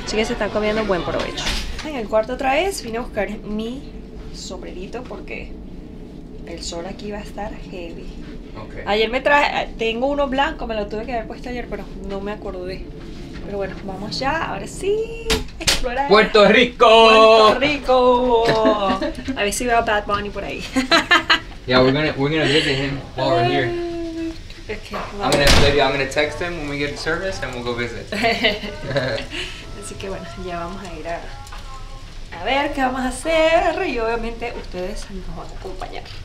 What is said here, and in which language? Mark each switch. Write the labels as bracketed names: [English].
[Spanish] Así que se están comiendo buen provecho. En el cuarto otra vez vine a buscar mi sombrerito porque el sol aquí va a estar heavy. Okay. Ayer me traje, tengo uno blanco, me lo tuve que haber puesto ayer, pero no me acordé. Pero bueno, vamos ya, ahora sí, a explorar Puerto Puerto Rico. Rico. A ver si veo a Bad Bunny por ahí. [English] Yeah, we're gonna visit him while we're here. Okay, Maybe I'm gonna text him when we get the service and we'll go visit. [Spanish] Así que bueno, ya vamos a ir a ver qué vamos a hacer y obviamente ustedes nos van a acompañar.